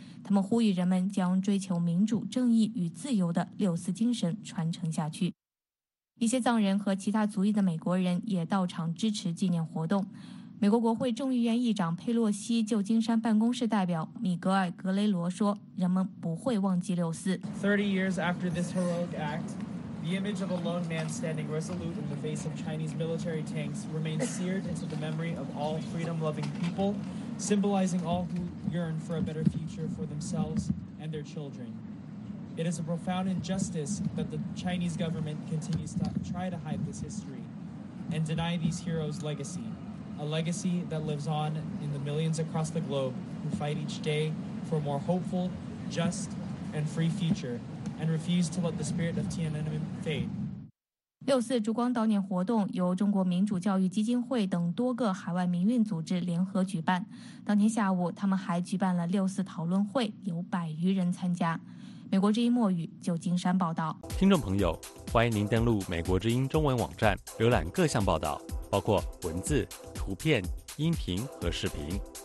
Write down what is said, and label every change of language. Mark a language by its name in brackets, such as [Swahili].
[Chinese] 他们呼吁人们将追求民主、正义与自由的六四精神传承下去。一些藏人和其他族裔的美国人也到场支持纪念活动。美国国会众议院议长佩洛西旧金山办公室代表米格尔·格雷罗说，人们不会忘记六四。 [English] 30 years after this heroic act, the image of a lone man standing resolute in the face of Chinese military tanks remains seared into the memory of all freedom-loving people, symbolizing all who yearn for a better future for themselves and their children. It is a profound injustice that the Chinese government continues to try to hide this history and deny these heroes' legacy. A legacy that lives on in the millions across the globe who fight each day for a more hopeful, just, and free future, and refuse to let the spirit of Tiananmen fade. [Chinese] 六四烛光悼念活动由中国民主教育基金会等多个海外民运组织联合举办。当天下午，他们还举办了六四讨论会，有百余人参加。美国之音墨语，旧金山报道。听众朋友，欢迎您登录美国之音中文网站，浏览各项报道，包括文字、图片、音频和视频。